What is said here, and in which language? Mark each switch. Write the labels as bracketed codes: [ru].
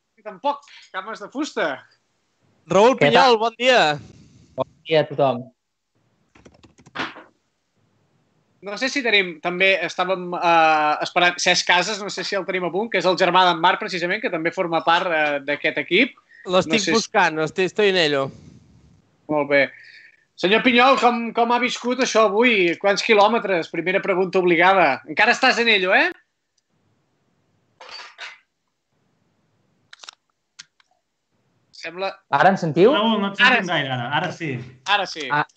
[ca] Tampoc, cames de fusta. Raül Pinyol, bon dia. Bon dia a tothom. No sé si tenim, també estàvem esperant Cesc Casas, no sé si el tenim a punt, que és el germà d'en Marc, precisament, que també forma part d'aquest equip. L'estic buscant, [es] estoy en ello. [ca] Molt bé. Senyor Pinyol, com ha viscut això avui? Quants quilòmetres? Primera pregunta obligada. Encara estàs [es] en ello, [ca] eh? Sembla... Ara em sentiu? Ara sí.